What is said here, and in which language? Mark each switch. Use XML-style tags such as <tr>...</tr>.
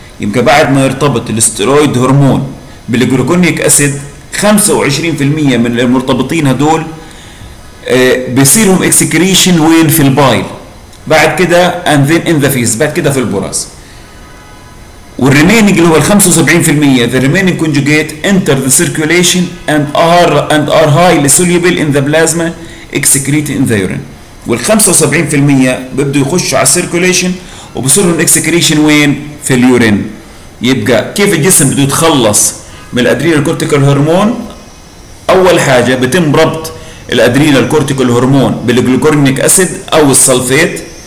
<ar>يبقى بعد ما يرتبط الاسترويد هرمون بالجلوكورنيك اسيد 25% من المرتبطين هدول بيصيرهم excretion وين؟ في البايل. بعد كده</ar> <en>and then in the feces،</en> <ar>بعد كده في البراز. والريمينينج اللي هو</ar> <en>75% the remaining conjugate enter the circulation and are highly soluble in the plasma excreted in the urine.</en> <ar>وال 75% بيبدوا يخشوا على السيركوليشن وبصير لهم اكسكريشن وين؟ في اليورين. يبقى كيف الجسم بده يتخلص من الادرينال كورتيكال هرمون؟ اول حاجه بيتم ربط الادرينال كورتيكال هرمون بالجلوكورنيك اسيد او السلفيت.</ar>